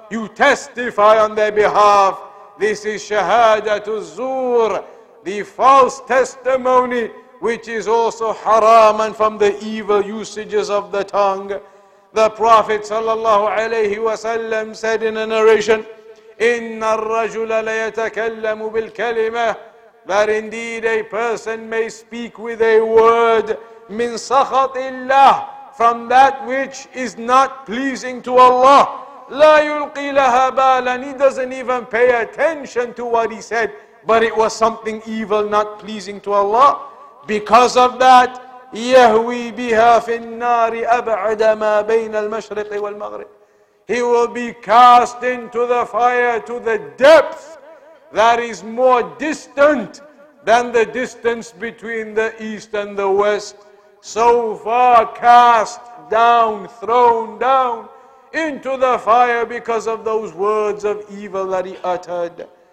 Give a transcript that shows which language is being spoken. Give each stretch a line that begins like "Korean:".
English: You testify on their behalf. This is shahadatu zur, the false testimony, which is also haram and from the evil usages of the tongue. The Prophet sallallahu alayhi wasallam said in a narration,
Arabic: إن الرجل ليتكلم بالكلمة.
English: That indeed a person may speak with a word
Arabic: من سخط الله,
English: from that which is not pleasing to Allah.
Arabic: لا يلقي لها بالا,
English: he doesn't even pay attention to what he said, but it was something evil, not pleasing to Allah. Because of that,
Arabic: يهوي بها في النار أبعد ما بين المشرق والمغرب.
English: He will be cast into the fire to the depth that is more distant than the distance between the east and the west. So far cast down, thrown down into the fire because of those words of evil that he uttered.